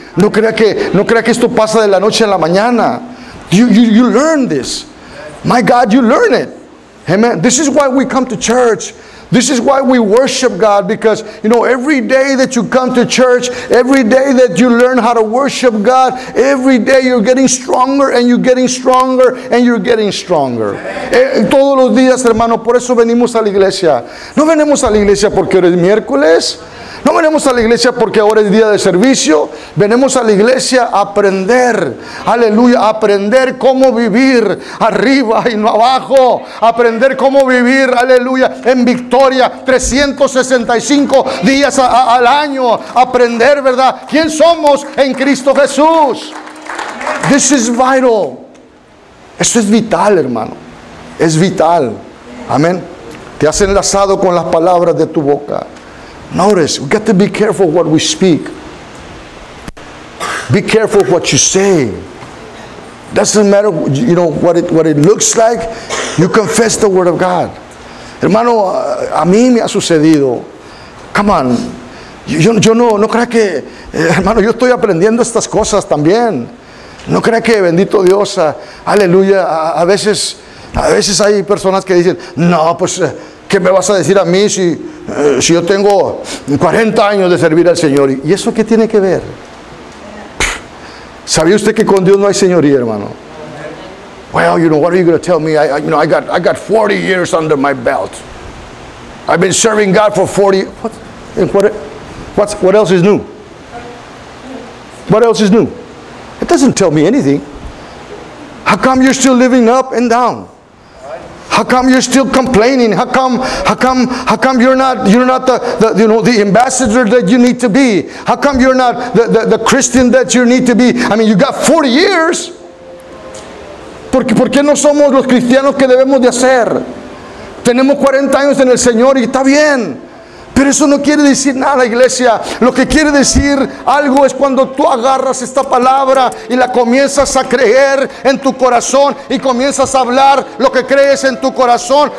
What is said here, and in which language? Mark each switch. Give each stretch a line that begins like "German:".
Spanish: No crea que esto pasa de la noche a la mañana.
English: You learn this. My God, you learn it. Amen. This is why we come to church. This is why we worship God, because you know, every day that you come to church, every day that you learn how to worship God, every day you're getting stronger and you're getting stronger and you're getting stronger.
Spanish: Todos los días, hermano, por eso venimos a la iglesia. No venimos a la iglesia porque hoy es miércoles. No venimos a la iglesia porque ahora es día de servicio. Venimos a la iglesia a aprender, aleluya, a aprender cómo vivir arriba y no abajo, aprender cómo vivir, aleluya, en victoria 365 días al año, aprender, ¿verdad? ¿Quién somos en Cristo Jesús?
English: This is vital.
Spanish: Esto es vital, hermano. Es vital. Amén. Te has enlazado con las palabras de tu boca.
English: Notice, we got to be careful what we speak. Be careful what you say. Doesn't matter, you know, what it looks like. You confess the word of God.
Spanish: Hermano, a mí me ha sucedido.
English: Come on.
Spanish: Yo no creo que, hermano, yo estoy aprendiendo estas cosas también. No creo que, bendito Dios, aleluya, a veces hay personas que dicen, no, pues, ¿qué me vas a decir a mí si yo tengo 40 años de servir al Señor? ¿Y eso qué tiene que ver? ¿Sabía usted que con Dios no hay señoría, hermano?
English: Well, you know, what are you going to tell me? I got 40 years under my belt. I've been serving God for 40. What else is new? What else is new? It doesn't tell me anything. How come you're still living up and down? How come you're still complaining? How come you're not the ambassador that you need to be? How come you're not the Christian that you need to be? I mean, you got 40 years.
Spanish: ¿Por qué no somos los cristianos que debemos de hacer? Tenemos 40 años en el Señor y está bien. Pero eso no quiere decir nada, iglesia. Lo que quiere decir algo es cuando tú agarras esta palabra y la comienzas a creer en tu corazón y comienzas a hablar lo que crees en tu corazón.